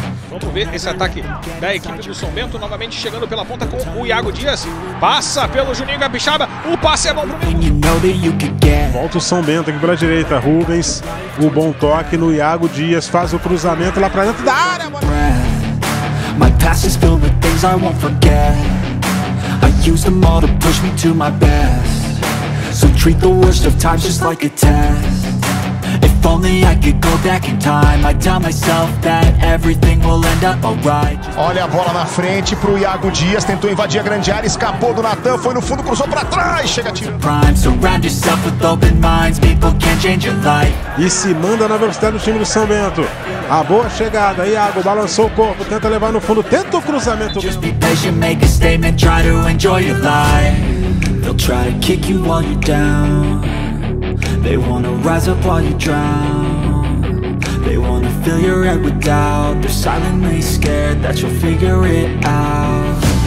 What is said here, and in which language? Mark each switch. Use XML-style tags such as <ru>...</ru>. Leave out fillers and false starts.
<pt>Vamos ver esse ataque da equipe do São Bento, novamente chegando pela ponta com o Iago Dias. Passa pelo Juninho Capixaba, o passe é bom pro meio. Volta o São Bento aqui pela direita, Rubens. O bom toque no Iago Dias, faz o cruzamento lá pra dentro da área.</pt> <en>My past is filled with things I won't forget. I use them all to push me to my best. So treat the worst of times just like a test. If only I could go back in time, I'd tell myself that everything will end up alright.</en> <pt>Olha a bola na frente pro Iago Dias, tentou invadir a grande área, escapou do Natan, foi no fundo, cruzou pra trás, chega tiro.</pt> <en>Surround yourself with open minds, people can change your life.</en> <pt>E se manda na velocidade do time do São Bento. A boa chegada, Iago balançou o corpo, tenta levar no fundo, tenta o cruzamento.</pt> <en>Just be patient, make a statement, try to enjoy your life. They'll try to kick you while you're down. They wanna rise up while you drown. They wanna fill your head with doubt. They're silently scared that you'll figure it out.</en>